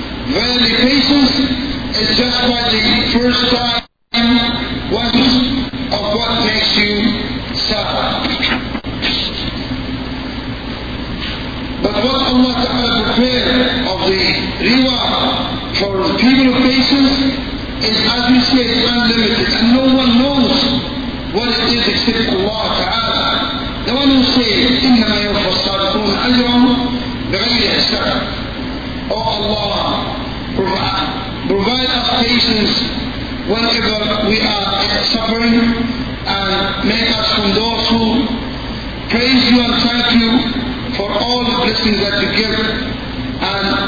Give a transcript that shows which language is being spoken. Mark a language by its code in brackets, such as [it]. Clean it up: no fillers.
[en] Verily patience is just by the first time once of what makes you suffer. But what Allah Ta'ala prepared of the riwa for the people of patience is, as we say, unlimited. And no one knows what it is except Allah Ta'ala. The one who says, [ar] إِنَّمَا يَوْفَ الصَّابِرُونَ أَجْرًا بِغَيْرِ حِسَابٍ. [en] O Allah, provide us patience whenever we are suffering, and make us from those who praise you and thank you for all the blessings that you give, and